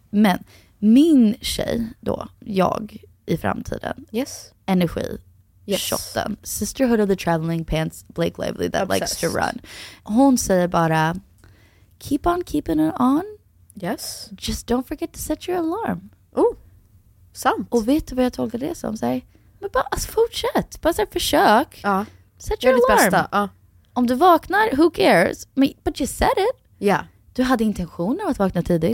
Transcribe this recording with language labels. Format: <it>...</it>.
<sv>Men min tjej då, jag i framtiden.</sv> <en>Yes.</en> <sv>Energi.</sv> <en>Yes.</en> <sv>Shotten.</sv> <en>Sisterhood of the Traveling Pants, Blake Lively, that obsessed likes to run.</en> <sv>Hon säger bara,</sv> <en>keep on keeping it on. Yes. Just don't forget to set your alarm.</en> <sv>Oh, sant. Och vet du vad jag tolkar det som? Säg, men bara, alltså, fortsätt. Bara så här, försök. Sätt</sv> <en>your alarm.</en> <sv>Bästa. Om du vaknar,</sv> <en>who cares? But you said it. Yeah.</en> <sv>Du hade intentioner att vakna tidigt.</sv>